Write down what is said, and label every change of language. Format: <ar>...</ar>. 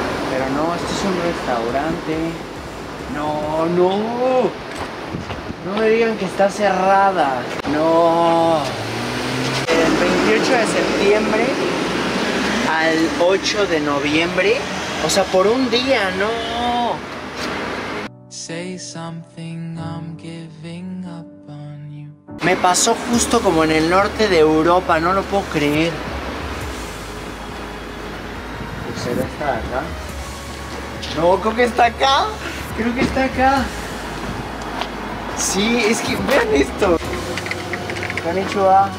<es>Pero no, esto es un restaurante. No, no. No me digan que está cerrada. No. El 28 de septiembre al 8 de noviembre. O sea, por un día, no.</es> <en>Say something, I'm giving up on you.</en> <es>Me pasó justo como en el norte de Europa, no lo puedo creer. ¿Pues será esta de acá? No, creo que está acá. Creo que está acá. Sí, es que vean esto. Konnichiwa.</es>